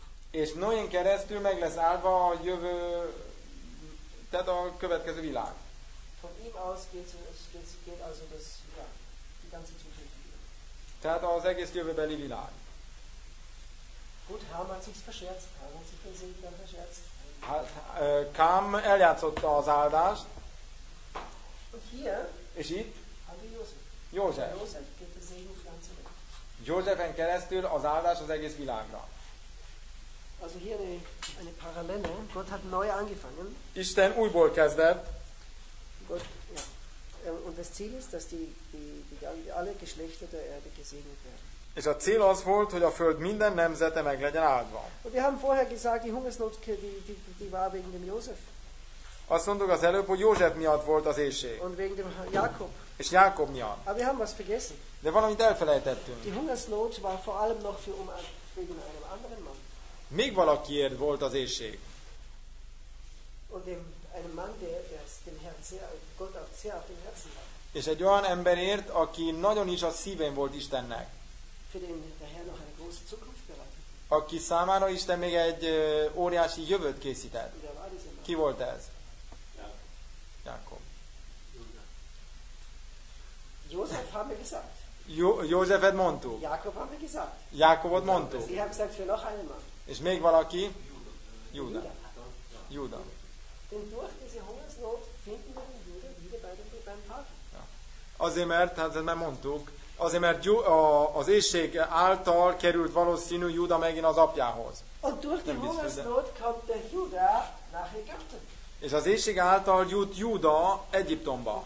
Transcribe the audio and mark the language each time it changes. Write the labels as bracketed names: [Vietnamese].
[Hungarian] És Noén keresztül meg lesz állva a jövő, tehát a következő világ. [German] Von ihm aus geht also das, ja, die ganze Zukunft. [Hungarian] Tehát az egész jövőbeli világ. [German] Gut, Ham hat sich verscherzt, Ham hat sich den Segen dann verscherzt. [Hungarian] Kam eljátszotta az áldást. [German] Und hier, [Hungarian] és itt, [German] hatte Josef. [Hungarian] József. [German] Josef geht der Segen ganz zurück. [Hungarian] Józsefen keresztül az áldás az egész világra. [German] Also hier eine Parallele. Gott hat neu angefangen. [Hungarian] Isten újból kezdett. [German] Gott, ja. Und das Ziel ist, dass die alle Geschlechter der Erde gesegnet werden. [Hungarian] És a cél az volt, hogy a föld minden nemzete meg legyen áldva. [German] Und wir haben vorher gesagt, die Hungersnot, die war wegen dem Josef. [Hungarian] Azt mondtuk az előbb, hogy József miatt volt az éhség. [German] Und wegen dem Jakob. [Hungarian] És Jákob miatt. [German] Aber wir haben was vergessen. [Hungarian] De valamit elfelejtettünk. [German] Die Hungersnot war vor allem noch für wegen einem anderen Mann. [Hungarian] Még valakiért volt az éhség. [German] Und dem einem Mann, der dem Herrn Gott auf sehr auf dem Herzen hat. [Hungarian] És egy olyan emberért, aki nagyon is a szívén volt Istennek. [German] Für den der Herr noch eine große Zukunft bereitet. [Hungarian] Aki számára Isten még egy óriási jövőt készített. Ki volt ez? Jákob. [German] József, haben wir gesagt. [Hungarian] Józsefet mondtuk. [German] Jákob, haben wir gesagt. [Hungarian] Jákobot mondtuk. [German] Ich habe gesagt, für noch einen Mann. [Hungarian] És még valaki? Júda. Júda. [German] Denn durch diese Hungersnot finden wir den Júda wieder bei dem beim Vater. [Hungarian] Azért, mert, hát ezt már mondtuk, azért, mert az éhség által került valószínű Júda megint az apjához. [German] Und durch die Hungersnot kommt der Júda nach Ägypten. [Hungarian] És az éhség által jut Júda Egyiptomba.